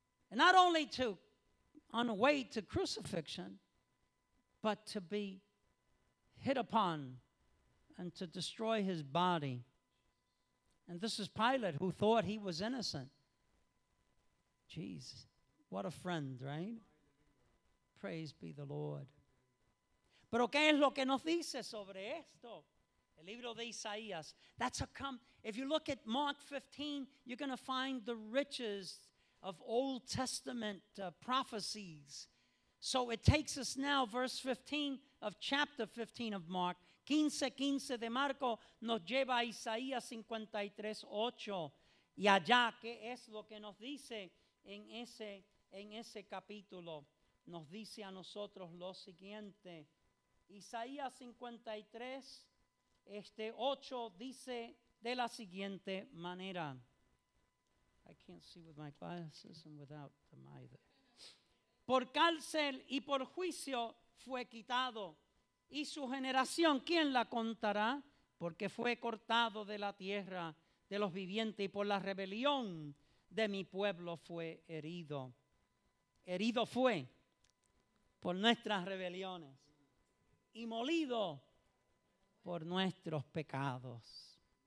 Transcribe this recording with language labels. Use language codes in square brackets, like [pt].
[en] And not only to, on the way to crucifixion, but to be hit upon and to destroy his body. And this is Pilate, who thought he was innocent. Jesus, what a friend, right? Praise be the Lord. [es] Pero ¿qué es lo que nos dice sobre esto? El libro de Isaías. [en] That's a come. If you look at Mark 15, you're going to find the riches of Old Testament prophecies. So it takes us now, verse 15 of chapter 15 of Mark. [es] 15:15 de Marco nos lleva a Isaías 53:8. Y allá, ¿qué es lo que nos dice? En ese capítulo nos dice a nosotros lo siguiente. Isaías 53, 8 dice de la siguiente manera. [en] I can't see with my glasses and without them either. [es] Por cárcel y por juicio fue quitado, y su generación, ¿quién la contará? Porque fue cortado de la tierra de los vivientes, y por la rebelión de mi pueblo fue herido. Herido fue por nuestras rebeliones y molido por nuestros pecados.